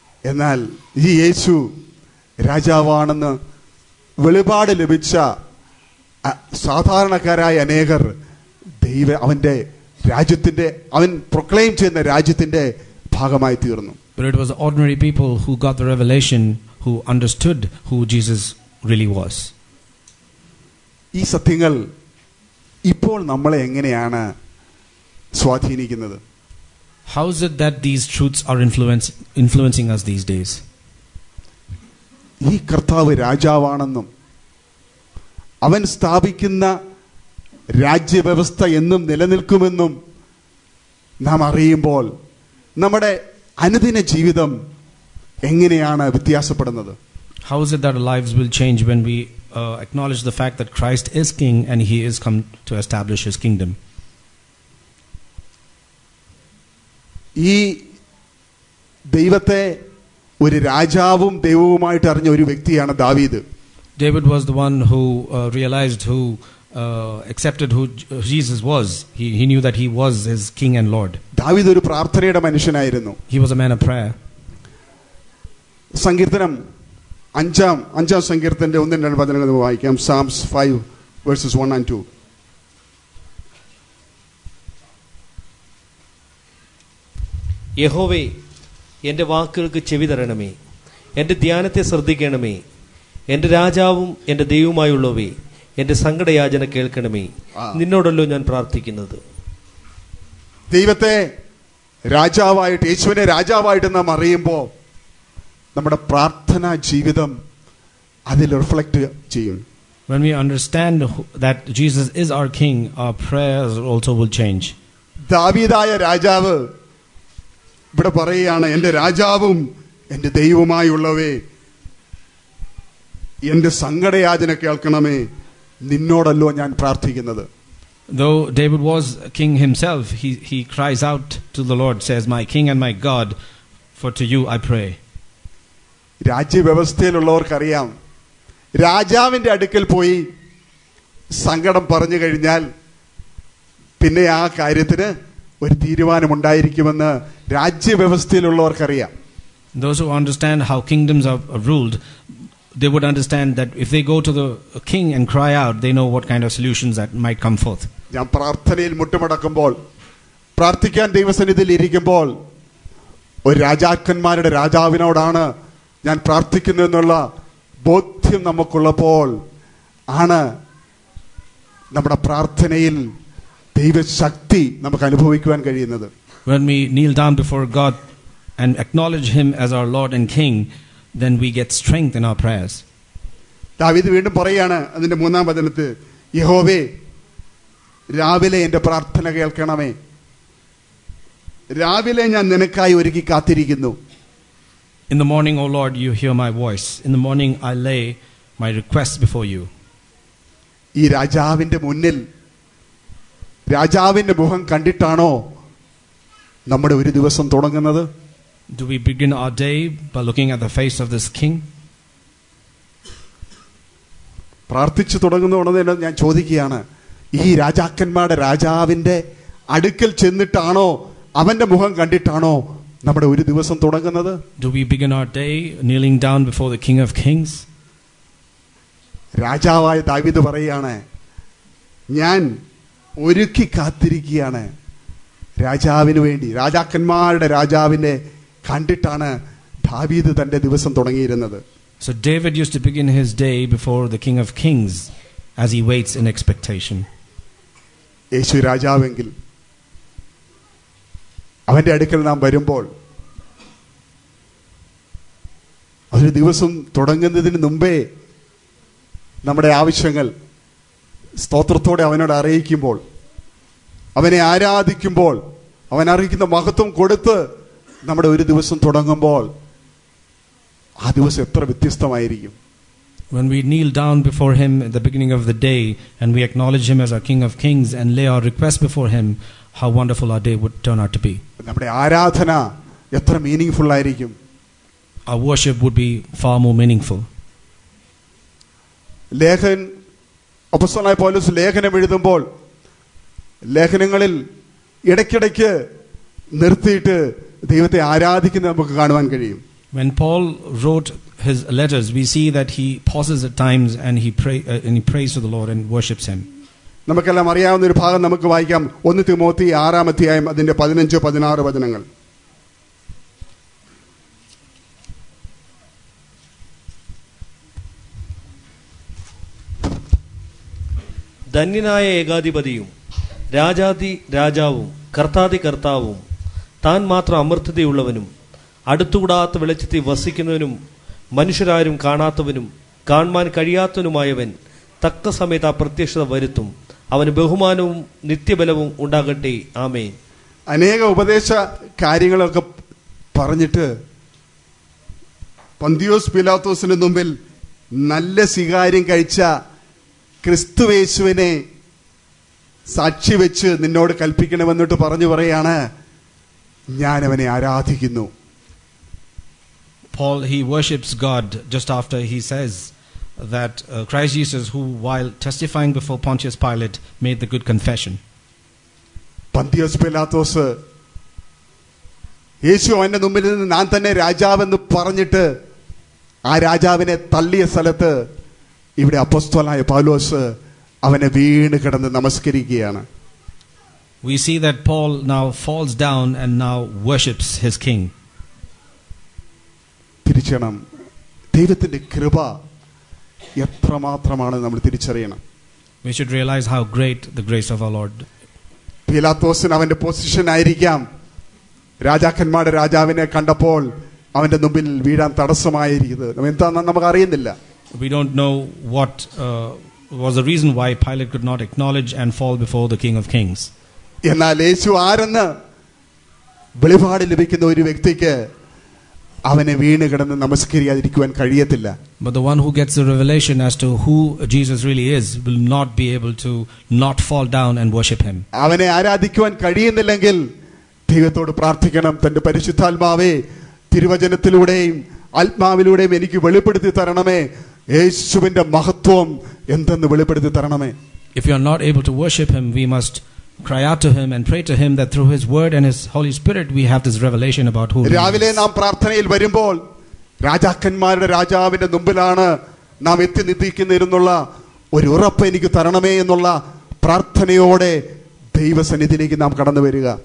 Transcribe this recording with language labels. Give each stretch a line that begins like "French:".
Malayalam: എന്നാൽ ഈ യേശു രാജാവാണെന്ന് വെളിപാട് ലഭിച്ച സാധാരണക്കാരായ അനേകർ അവന്റെ രാജ്യത്തിന്റെ അവൻ പ്രൊക്ലെയിം ചെയ്യുന്ന രാജ്യത്തിന്റെ ഭാഗമായി തീർന്നു.
English: But it was ordinary people who got the revelation, who understood who Jesus really was.
Malayalam: ഈ സത്യങ്ങൾ ഇപ്പോൾ നമ്മളെ എങ്ങനെയാണ് സ്വാധീനിക്കുന്നത്?
English: How is it that these truths are influencing us these days?
Malayalam: ഈ കർത്താവ് രാജാവാണെന്നും അവൻ സ്ഥാപിക്കുന്ന രാജ്യവ്യവസ്ഥ എന്നും നിലനിൽക്കുമെന്നും നാം അറിയുമ്പോൾ നമ്മുടെ അനുദിന ജീവിതം എങ്ങനെയാണ് വ്യത്യാസപ്പെടുന്നത്?
English: How is it that our lives will change when we acknowledge the fact that Christ is king and he has come to establish his kingdom?
Malayalam: ഈ ദൈവത്തെ ഒരു രാജാവും ദൈവവുമായിട്ട് അറിഞ്ഞ ഒരു വ്യക്തിയാണ് ദാവീദ്.
English: David was the one who realized who accepted who Jesus was. He knew that he was his king and lord.
Malayalam: ദാവീദ് ഒരു പ്രാർത്ഥനയുടെ മനുഷ്യനായിരുന്നു.
English: He was a man of prayer.
Malayalam: സങ്കീർത്തനം 5-ാം സങ്കീർത്തന്റെ 1-2 വചനങ്ങൾ നമുക്ക് വായിക്കാം.
English: Psalms 5 verses 1 and 2.
Malayalam: യഹോവേ, എൻ്റെ വാക്കുകൾക്ക് ചെവി തരണമേ, എൻ്റെ ധ്യാനത്തെ ശ്രദ്ധിക്കണമേ. എൻ്റെ രാജാവും എൻ്റെ ദൈവവുമായുള്ളവേ, എന്റെ സങ്കടയാചന കേൾക്കണമേ, നിന്നോടല്ലോ ഞാൻ പ്രാർത്ഥിക്കുന്നത്. ദൈവത്തെ രാജാവായിട്ട്, യേശുവിനെ രാജാവായിട്ട് നാം അറിയുമ്പോൾ നമ്മുടെ പ്രാർത്ഥനാ ജീവിതം അതിൽ റിഫ്ലക്ട് ചെയ്യും.
English: When we understand that Jesus is our king, our prayers also will change.
Malayalam: ദാവീദായ രാജാവ് ഇവിടെ പറയുകയാണ്, എന്റെ രാജാവും എന്റെ ദൈവവുമായുള്ളവേ, എന്റെ സങ്കടയാചന കേൾക്കണമേ, നിന്നോടല്ലോ ഞാൻ പ്രാർത്ഥിക്കുന്നത്.
English: Though David was king himself, he cries out to the Lord, says, my king and my God, for to you I pray.
Malayalam: രാജ്യവ്യവസ്ഥയിലുള്ളവർക്ക് അറിയാം, രാജാവിന്റെ അടുക്കൽ പോയി സങ്കടം പറഞ്ഞു കഴിഞ്ഞാൽ പിന്നെ ആ കാര്യത്തിന് ഒരു തീരുമാനമുണ്ടായിരിക്കുമെന്ന് രാജ്യവ്യവസ്ഥയിലുള്ളവർക്കറിയാം.
English: Those who understand how kingdoms are ruled, they would understand that if they go to the king and cry out, they know what kind of solutions that might come forth.
Malayalam: ഞാൻ പ്രാർത്ഥനയിൽ മുട്ടുമടക്കുമ്പോൾ, പ്രാർത്ഥിക്കാൻ ദൈവസന്നിധിയിൽ ഇരിക്കുമ്പോൾ, ഒരു രാജാക്കന്മാരുടെ രാജാവിനോടാണ് ഞാൻ പ്രാർത്ഥിക്കുന്നത് എന്നുള്ള ബോധ്യം നമുക്കുള്ളപ്പോൾ ആണ് നമ്മുടെ പ്രാർത്ഥനയിൽ ദൈവശക്തി നമുക്ക് അനുഭവിക്കുവാൻ കഴിയുന്നത്.
English: When we kneel down before God and acknowledge him as our Lord and King, then we get strength in our prayers.
Malayalam: ദാവീദ് വീണ്ടും പറയുകയാണ് അതിന്റെ മൂന്നാം വചനത്തിൽ, യഹോവേ രാവിലെ എന്റെ പ്രാർത്ഥന കേൾക്കണമേ, രാവിലെ ഞാൻ നിനക്കായി ഒരുക്കി കാത്തിരിക്കുന്നു.
English: In the morning, O Lord, you hear my voice. In the morning, I lay my request before you.
Malayalam: ഈ രാജാവിന്റെ മുന്നിൽ രാജാവിന്റെ മുഖം കണ്ടിട്ടാണോ നമ്മുടെ ഒരു ദിവസം തുടങ്ങുന്നത്?
English: Do we begin our day by looking at the face of this king?
Malayalam: പ്രാർത്ഥിച്ചു തുടങ്ങുന്ന ഉടനെ ഞാൻ ചോദിക്കുകയാണ്, ഈ രാജാക്കന്മാരുടെ രാജാവിന്റെ അടുക്കൽ ചെന്നിട്ടാണോ, അവന്റെ മുഖം കണ്ടിട്ടാണോ നമ്മുടെ ഒരു ദിവസം തുടങ്ങുന്നത്?
English: Do we begin our day kneeling down before the King of Kings?
Malayalam: രാജാവായ ദാവീദ് പറയുകയാണ്, ഞാൻ ഒരുക്കി കാത്തിരിക്കുകയാണ് രാജാവിന് വേണ്ടി. രാജാക്കന്മാരുടെ രാജാവിനെ കണ്ടിട്ടാണ് ദാവീദ് തന്റെ ദിവസം തുടങ്ങിയിരുന്നത്.
English: So David used to begin his day before the King of Kings as he waits in expectation.
Malayalam: യേശു രാജാവെങ്കിൽ അവന്റെ അടുക്കൽ നാം വരുമ്പോൾ ഒരു ദിവസം തുടങ്ങുന്നതിന് മുമ്പേ നമ്മുടെ ആവശ്യങ്ങൾ സ്തോത്രത്തോടെ അവനോട് അറിയിക്കുമ്പോൾ, അവനെ ആരാധിക്കുമ്പോൾ, അവൻ അർഹിക്കുന്ന മഹത്വം കൊടുത്ത് നമ്മുടെ ഒരു ദിവസം തുടങ്ങുമ്പോൾ ആ ദിവസം എത്ര വ്യത്യസ്തമായിരിക്കും.
English: When we kneel down before him at the beginning of the day and we acknowledge him as our King of Kings and lay our request before him, how wonderful our day would turn out to be.
Malayalam: നമ്മുടെ ആരാധന എത്ര മീനിംഗ്ഫുൾ ആയിരിക്കും.
English: Our worship would be far more meaningful.
Malayalam: ലേഖൻ അപ്പോസ്തലനായ പൗലോസ് ലേഖനം എഴുതുമ്പോൾ ലേഖനങ്ങളിൽ ഇടയ്ക്കിടയ്ക്ക് നിർത്തിയിട്ട് ദൈവത്തെ ആരാധിക്കുന്നത് നമുക്ക് കാണുവാൻ കഴിയും.
English: When Paul wrote his letters, we see that he pauses at times and he prays to the Lord and worships him.
Malayalam: നമുക്കെല്ലാം അറിയാവുന്ന ഒരു ഭാഗം നമുക്ക് വായിക്കാം, 1 തിമോത്തി 6 അധ്യായം അതിന്റെ 15 16 വചനങ്ങൾ. ധന്യനായ ഏകാധിപതിയും രാജാധി രാജാവും കർത്താധി കർത്താവും താൻ മാത്രം അമൃതതയുള്ളവനും അടുത്തുകൂടാത്ത വെളിച്ചത്തിൽ വസിക്കുന്നവനും മനുഷ്യരാരും കാണാത്തവനും കാണുവാൻ കഴിയാത്തവനുമായവൻ തക്ക സമയത്ത് അപ്രത്യക്ഷത വരുത്തും. അവന് ബഹുമാനവും നിത്യബലവും ഉണ്ടാകട്ടെ. ആമേൻ. അനേക ഉപദേശ കാര്യങ്ങളൊക്കെ പറഞ്ഞിട്ട് പന്തിയോസ് പിലാത്തോസിന് മുമ്പിൽ നല്ല സ്വീകാര്യം കഴിച്ച ക്രിസ്തുവേശുവിനെ സാക്ഷി വെച്ച് നിന്നോട് കൽപ്പിക്കണമെന്നിട്ട് പറഞ്ഞു പറയാണ്, ഞാൻ അവനെ ആരാധിക്കുന്നു.
English: Paul, he worships God just after he says that Christ Jesus, who while testifying before Pontius Pilate made the good confession.
Malayalam: Pontius Pilatus യേശു അവന്റെ മുമ്പിൽ നിന്ന് ഞാൻ തന്നെ രാജാവെന്ന് പറഞ്ഞിട്ട് ആ രാജാവിനെ തള്ളിയ സ്ഥലത്ത് ഇവിടെ അപ്പോസ്തലനായ പൗലോസ് അവനെ വീണ് കിടന്ന് നമസ്കരിക്കുകയാണ്.
English: We see that Paul now falls down and now worships his king.
Malayalam: തിരിച്ചറിയണം, ദൈവത്തിന്റെ കൃപ എത്ര മാത്രമാണ് നമ്മൾ തിരിച്ചറിയണം.
English: We should realize how great the grace of our Lord.
Malayalam: പീലാത്തോസിന് അവന്റെ പൊസിഷൻ ആയിരിക്കാം. രാജാക്കന്മാരുടെ രാജാവിനെ കണ്ടപ്പോൾ അവന്റെ മുമ്പിൽ വീഴാൻ തടസ്സമായിരിക്കുന്നത് എന്താണെന്ന് നമുക്ക് അറിയുന്നില്ല.
English: We don't know what was the reason why Pilate could not acknowledge and fall before the King of Kings.
Malayalam: എന്നാൽ യേശു ആരെന്ന് വെളിപാട് ലഭിക്കുന്ന ഒരു വ്യക്തിക്ക് അവനെ വീണ് കിടന്ന് നമസ്കരിക്കാതിരിക്കുവാൻ കഴിയത്തില്ല.
English: But the one who gets the revelation as to who Jesus really is will not be able to not fall down and worship him.
Malayalam: അവനെ ആരാധിക്കുവാൻ കഴിയുന്നില്ലെങ്കിൽ ദൈവത്തോട് പ്രാർത്ഥിക്കണം, തന്റെ പരിശുദ്ധാത്മാവേ തിരുവചനത്തിലൂടെയും ആത്മാവിലൂടെയും എനിക്ക് വെളിപ്പെടുത്തി തരണമേ യേശുവിന്റെ മഹത്വം എന്തെന്ന് വെളിപ്പെടുത്തി തരണമേ.
English: If you are not able to worship him, we must cry out to him and pray to him that through his word and his holy spirit we have this revelation about who he is.
Malayalam: രാവിലെ നാം പ്രാർത്ഥനയിൽ വരുമ്പോൾ രാജാക്കന്മാരുടെ രാജാവിന്റെ മുമ്പിലാണ് നാം എത്തി നിൽക്കുന്നിരുന്നുള്ള ഒരു ഉറപ്പ് എനിക്ക് തരണമേ എന്നുള്ള പ്രാർത്ഥനയോടെ ദൈവസന്നിധിയിലേക്ക് നാം കടന്നു വരിക.